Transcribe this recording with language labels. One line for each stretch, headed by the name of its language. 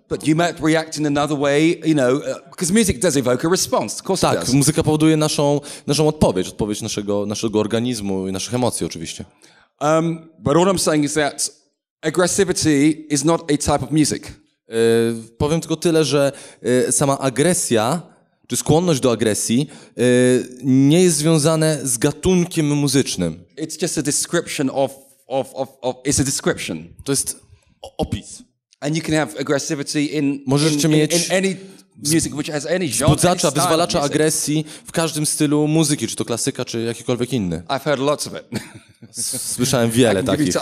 English: But you might react in another way, you know, because music does evoke a response. Of course,
Polish: tak,
English: it does.
Polish: Tak, muzyka powoduje naszą odpowiedź naszego organizmu i naszych emocji, oczywiście.
English: But all I'm saying is that aggressivity is not a type of music.
Polish: Powiem tylko tyle, że sama agresja, czy skłonność do agresji, nie jest związane z gatunkiem muzycznym.
English: It's just a description of it's a description.
Polish: To jest opis.
English: And you can have aggressivity in any music which has any genre.
Polish: Wzbudzacza, wyzwalacza agresji w każdym stylu muzyki, czy to klasyka, czy jakikolwiek inny.
English: I've heard lots of it.
Polish: Słyszałem wiele takich.